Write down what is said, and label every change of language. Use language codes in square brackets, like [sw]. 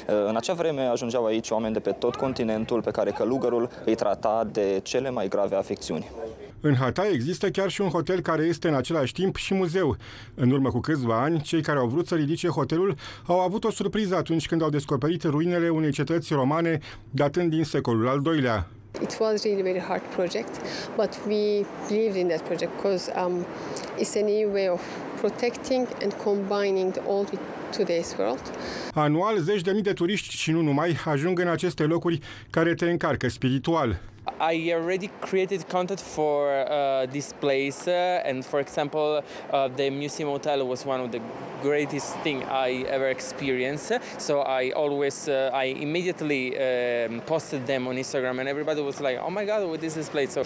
[ro] În acea vreme ajungeau aici oameni de pe tot continentul pe care călugărul îi trata de cele mai grave afecțiuni. În Hatay există chiar și un hotel care este în același timp și muzeu. În urmă cu câțiva ani, cei care au vrut să ridice hotelul au avut o surpriză atunci când au descoperit ruinele unei cetăți romane datând din secolul al II-lea. [en] It was really very hard project, but we believed in that project because it's a new way of protecting and combining the old with today's world. [ro] Anual, zeci de mii de turiști și nu numai ajung în aceste locuri care te încarcă spiritual. [en] I already created content for this place and for example the Museum Hotel was one of the greatest thing I ever experienced, so I always I immediately posted them on Instagram and everybody was like, oh my god, what is this place? So